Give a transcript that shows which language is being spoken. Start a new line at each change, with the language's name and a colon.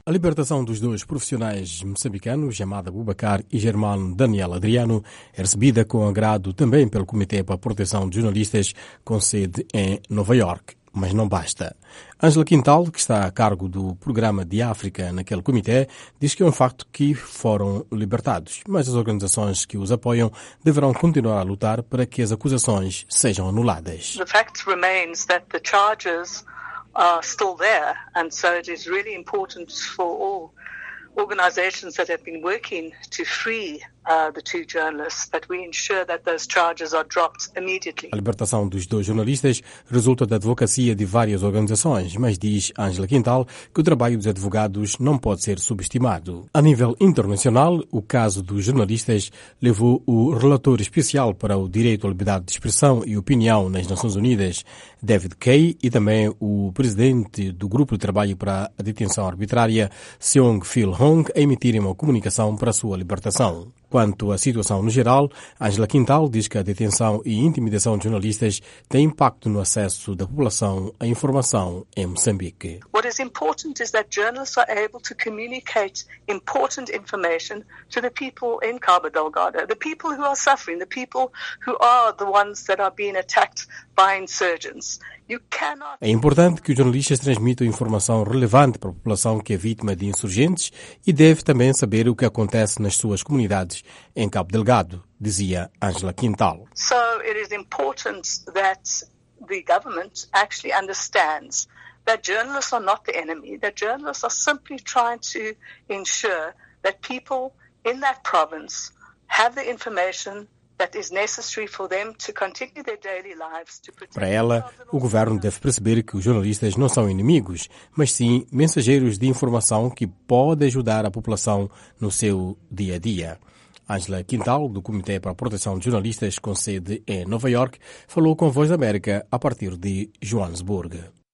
Portuguese: A libertação dos dois profissionais moçambicanos, Amado Abubakar e Germano Daniel Adriano, é recebida com agrado também pelo Comitê para a Proteção de Jornalistas, com sede em Nova York. Mas não basta. Ângela Quintal, que está a cargo do Programa de África naquele comitê, diz que é um facto que foram libertados, mas as organizações que os apoiam deverão continuar a lutar para que as acusações sejam anuladas.
English: The fact remains that the charges are still there, and so it is really important for all organizations that have been working to free the two journalists that we ensure that those charges are dropped immediately.
Portuguese: A libertação dos dois jornalistas resulta da advocacia de várias organizações, mas diz Ângela Quintal que o trabalho dos advogados não pode ser subestimado. A nível internacional, o caso dos jornalistas levou o relator especial para o direito à liberdade de expressão e opinião nas Nações Unidas, David Kay, e também o presidente do Grupo de Trabalho para a Detenção Arbitrária, Seong Phil Hong, a emitirem uma comunicação para a sua libertação. Quanto à situação no geral, Ângela Quintal diz que a detenção e intimidação de jornalistas tem impacto no acesso da população à informação em Moçambique.
English: What is important is that journalists are able to communicate important information to the people in Cabo Delgado, the people who are suffering, the people who are the ones that are being attacked by insurgents.
Portuguese: É importante que os jornalistas transmitam informação relevante para a população que é vítima de insurgentes e deve também saber o que acontece nas suas comunidades em Cabo Delgado, dizia Ângela Quintal.
English: So it is important that the government actually understands that journalists are not the enemy, that journalists are simply trying to ensure that people in that province have the information that is necessary for them to continue their daily lives to protect.
Portuguese: Para ela, o governo deve perceber que os jornalistas não são inimigos, mas sim mensageiros de informação que podem ajudar a população no seu dia a dia. Ângela Quintal, do Comitê para a Proteção de Jornalistas, com sede em Nova York, falou com a Voz da América a partir de Joanesburg.